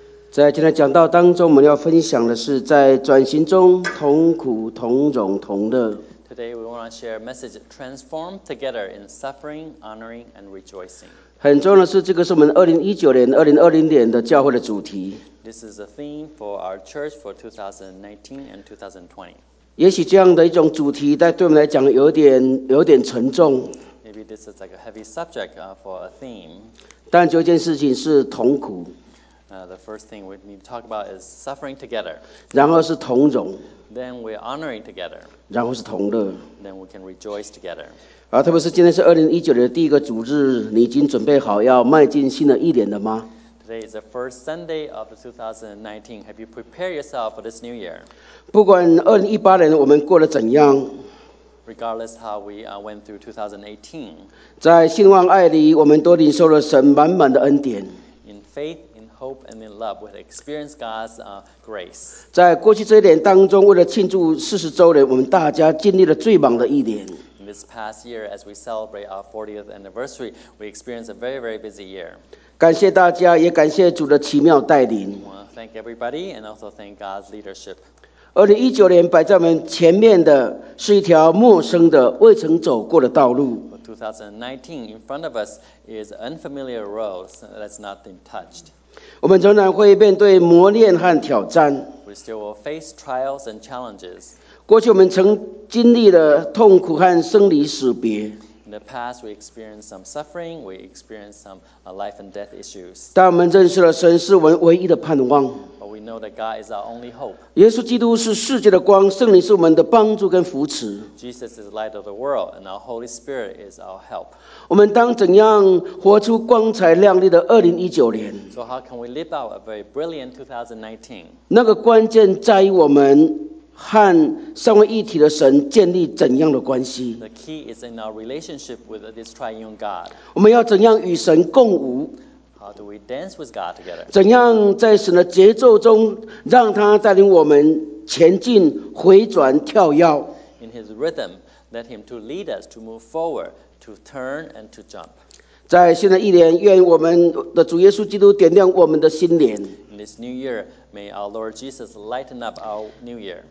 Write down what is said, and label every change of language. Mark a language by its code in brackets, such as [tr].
[zh] 在今天讲道当中，我们要分享的是在转型中同苦同荣同乐。 [en] Today we want to share a message: Transform together in suffering, honoring, and rejoicing. [zh] 很重要的是，这个是我们2019年、2020年的教会的主题。 [en] This is a theme for our church for 2019 and 2020. [zh] 也许这样的一种主题，但对我们来讲有点沉重。 [en] Maybe this is like a heavy subject for a theme. [zh] 但有一件事情是同苦。 [en] The first thing we need to talk about is suffering together. [zh] 然后是同荣。 [en] Then we're honoring together. [zh] 然后是同乐。 [en] Then we can rejoice together. [zh] 啊，特别是今天是2019年的第一个主日，你已经准备好要迈进新的一年了吗？ [en] Today is the first Sunday of 2019. Have you prepared yourself for this new year? [zh] 不管2018年我们过得怎样。 [en] Regardless how we went through 2018. [zh] 在信望爱里，我们都领受了神满满的恩典。 [en] In faith,hope and in love with experience God's grace. [zh] 在过去这一年当中，为了庆祝40周年，我们大家经历了最忙的一年。 [en] In this past year, as we celebrate our 40th anniversary, we experienced a very, very busy year. [zh] 感谢大家，也感谢主的奇妙带领。 [en] We want to thank everybody and also thank God's leadership. [zh] 2019年摆在我们前面的是一条陌生的、未曾走过的道路。 [en] 2019 in front of us is unfamiliar roads that's not been touched. [zh] 我们仍然会面对磨练和挑战。 [en] We still will face trials and challenges. [zh] 过去我们曾经历了痛苦和生离死别。 [en] In the past, we experienced some suffering. We experienced some life and death issues. [zh] 但我们认识了神是我们唯一的盼望。 [en] But we know that God is our only hope. [zh] 耶稣基督是世界的光，圣灵是我们的帮助跟扶持。 [en] Jesus is the light of the world, and our Holy Spirit is our help. [zh] 我们当怎样活出光彩亮丽的2019年？ [en] So how can we live out a very brilliant 2019? [zh] 那个关键在于我们和三位一体的神建立怎样的关系？ [en] The key is in our relationship with this triune God. [zh] 我们要怎样与神共舞？ [en] How do we dance with God together? [zh] 怎样在神的节奏中让他带领我们前进、回转、跳跃？ [en] In his rhythm, let him to lead us to move forward, to turn and to jump. [zh] 在新的一年，愿我们的主耶稣基督点亮我们的心灵。 [en] In this new year,May our Lord Jesus lighten up our new year.